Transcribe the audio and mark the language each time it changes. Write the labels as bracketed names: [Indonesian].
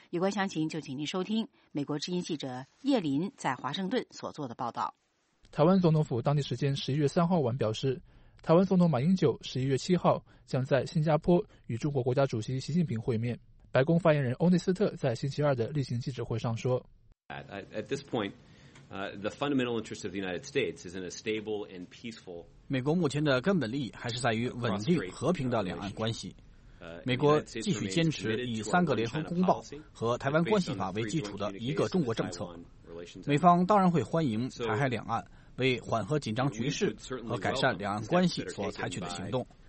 [Chinese] 有关详情就请您收听美国之音记者叶林在华盛顿所做的报道。台湾总统府当地时间11月3号晚表示，台湾总统马英九11月7号将在新加坡与中国国家主席习近平会面。白宫发言人欧内斯特在星期二的例行记者会上说， [English] At this point,the fundamental interest of the United States is in a stable and peaceful. [Chinese] 美国目前的根本利益还是在于稳定和平的两岸关系。美国继续坚持以三个联合公报和台湾关系法为基础的一个中国政策。美方当然会欢迎台海两岸为缓和紧张局势和改善两岸关系所采取的行动。